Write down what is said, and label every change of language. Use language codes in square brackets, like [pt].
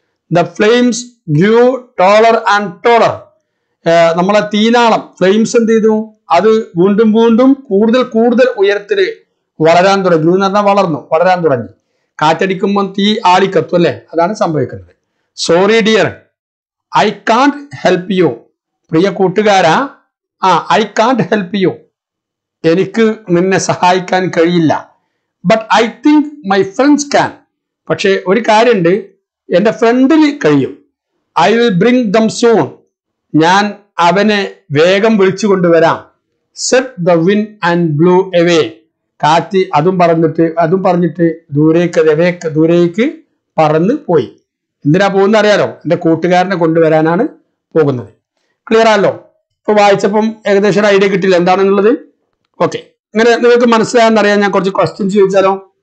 [en] the flames grew taller and taller, [ml] നമ്മളെ തീനാളം flames എന്ത് ചെയ്തു, അത് വീണ്ടും വീണ്ടും കൂടുതൽ കൂടുതൽ ഉയരത്തിൽ വളരാൻ തുടങ്ങി. ഗ്രൂ എന്ന് പറഞ്ഞാൽ വളർന്നു, വളരാൻ തുടങ്ങി. കാറ്റടിക്കുമ്പോൾ തീ ആളിക്കത്തു അല്ലേ, അതാണ് സംഭവിക്കുന്നത്. [en] sorry dear, I Kant help you, [ml] പ്രിയ കൂട്ടുകാരാ, [en] ആ I Kant help you, [ml] എനിക്ക് നിന്നെ സഹായിക്കാൻ കഴിയില്ല. [en] But I think my friends can. [ml] പക്ഷേ ഒരു കാര്യമുണ്ട്, എൻ്റെ ഫ്രണ്ടിൽ കഴിയും. [en] I will bring them soon. [ml] ഞാൻ അവനെ വേഗം വിളിച്ചു കൊണ്ടുവരാം. [en] Set the wind and blew away. [ml] കാറ്റ് അതും പറഞ്ഞിട്ട് ദൂരേക്ക് പറന്ന് പോയി. എന്തിനാ പോകുന്ന അറിയാലോ, എൻ്റെ കൂട്ടുകാരനെ കൊണ്ടുവരാനാണ് പോകുന്നത്. ക്ലിയർ ആണല്ലോ. ഇപ്പൊ വായിച്ചപ്പം ഏകദേശം ഒരു ഐഡിയ കിട്ടില്ല എന്താണെന്നുള്ളത്. ഓക്കെ, ഇങ്ങനെ നിങ്ങൾക്ക് മനസ്സിലായെന്നറിയാൻ ഞാൻ കുറച്ച് ക്വസ്റ്റ്യൻ ചോദിച്ചാലോ.